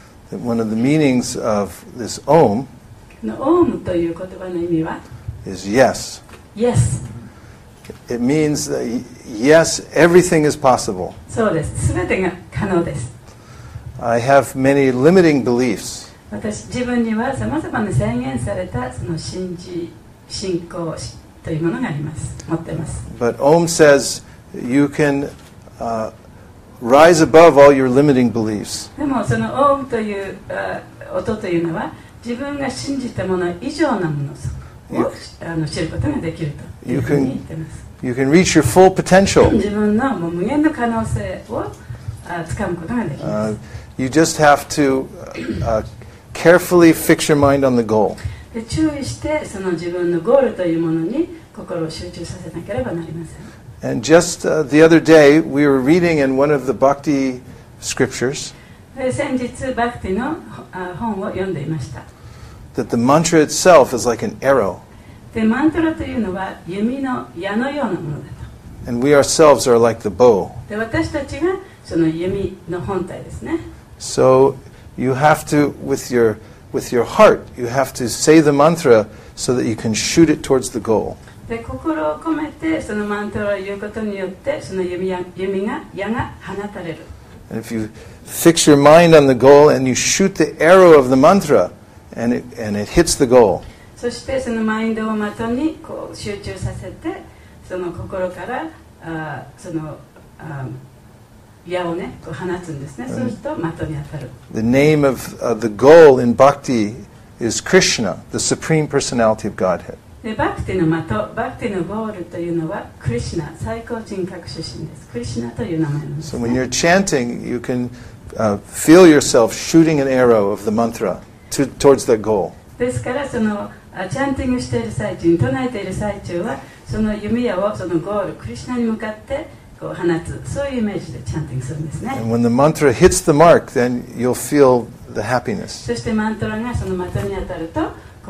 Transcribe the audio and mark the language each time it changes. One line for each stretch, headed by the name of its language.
English: that one of the meanings of this Om.
Japanese: のオームという言葉の意味は
English: is yes. Yes. It means that yes, everything is possible.
Japanese: そうです。すべてが可能です。
English: I have many limiting beliefs.
Japanese: 私自分にはさまざまな制限されたその信仰というものがあります。持ってます。
English: But Om says you can rise above all your limiting beliefs.
Japanese: でもそのオームという音というのは自分が信じたもの以上のものを知ることができるというふうに言ってます。
English: You can reach your full potential.
Japanese: 自分のもう無限の可能性を掴むことができます。
English: You just have to carefully fix your mind on the goal.
Japanese: で注意してその自分のゴールというものに心を集中させなければなりません。
English: And just the other day, we were reading in one of the bhakti scriptures.
Japanese: 先日、バクティの本を読んでいました。
English: That the mantra itself is like an arrow.
Japanese: で、マントラというのは弓の矢のようなものだと。
English: And we ourselves are like the bow.
Japanese: で、私たちがその弓の本体ですね。
English: So you have to with your heart, you have to say the mantra so that you can shoot it towards the goal.
Japanese: で心を込めてそのマントラを言うことによってその弓が放たれる。
English: And if you fix your mind on the goal and you shoot the arrow of the mantra and it hits the goal.
Japanese: そしてそのマインドを的にこう集中させてその心からその矢をねこう放つんですね。そうすると的に当たる。
English: The name of the goal in bhakti is Krishna, the Supreme Personality of Godhead.
Japanese: でバクティの的、バクティのゴールというのはクリシナ、最高人格出身です。クリシナという名前なんです、ね。
English: So when you're chanting, you can feel yourself shooting an arrow of the mantra towards that goal.
Japanese: ですからそのチャンティングしている最中、唱えている最中はその弓矢をそのゴール、クリシナに向かってこう放つ、そういうイメージでチャンティングするんですね。
English: And when the mantra hits the mark, then you'll feel the happiness.
Japanese: そしてマントラがその的に当たると。